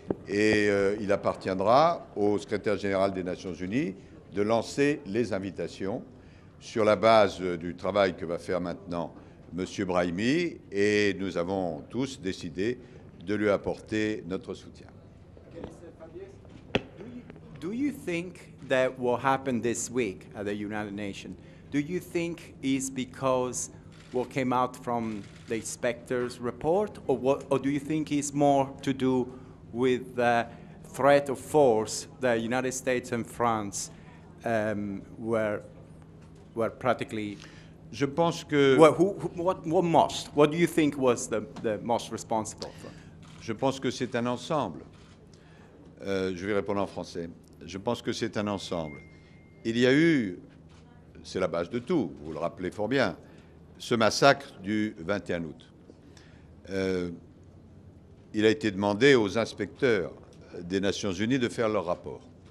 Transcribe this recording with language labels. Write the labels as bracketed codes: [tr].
[fr] Et il appartiendra au secrétaire général des Nations Unies de lancer les invitations sur la base du travail que va faire maintenant M. Brahimi. Et nous avons tous décidé de lui apporter notre soutien. [en] Do you think that what happened this week at the United Nations, do you think is because what came out from the inspector's report, or do you think is more to do with the threat of force that United States and France were practically? [fr] Je pense que. [en] Well, what most? What do you think was the most responsible for? [fr] Je pense que c'est un ensemble. Je vais répondre en français. Je pense que c'est un ensemble. Il y a eu, c'est la base de tout, vous le rappelez fort bien, ce massacre du 21 août. Il a été demandé aux inspecteurs des Nations Unies de faire leur rapport.